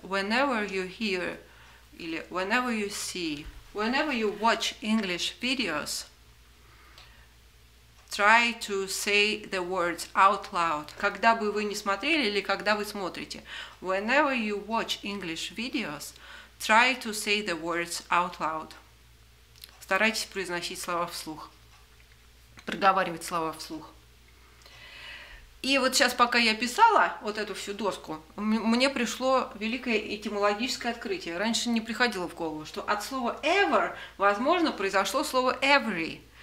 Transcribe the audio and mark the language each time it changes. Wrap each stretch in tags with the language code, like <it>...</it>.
<en>Whenever you hear, или whenever you see, whenever you watch English videos, try to say the words out loud.</en> <ru>Когда бы вы не смотрели или когда вы смотрите.</ru> <en>Whenever you watch English videos, try to say the words out loud.</en> <ru>Старайтесь произносить слова вслух. Проговаривать слова вслух. И вот сейчас, пока я писала вот эту всю доску, мне пришло великое этимологическое открытие. Раньше не приходило в голову, что от слова ever, возможно, произошло слово every.</ru>